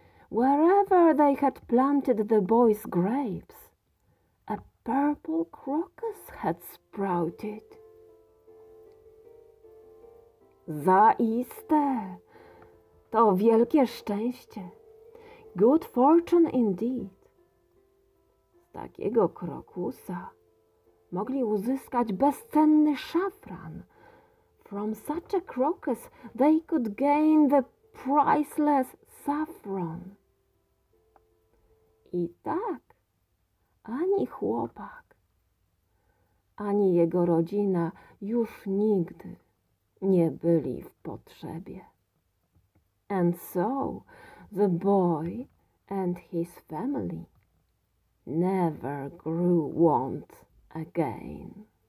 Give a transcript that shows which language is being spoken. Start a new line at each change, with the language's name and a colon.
English: Wherever they had planted the boy's grapes, a purple crocus had sprouted.
Polish: Zaiste, to wielkie szczęście.
English: Good fortune indeed.
Polish: Z takiego krokusa mogli uzyskać bezcenny szafran.
English: From such a crocus they could gain the priceless saffron.
Polish: I tak ani chłopak, ani jego rodzina już nigdy nie byli w potrzebie.
English: And so the boy and his family never grew want again.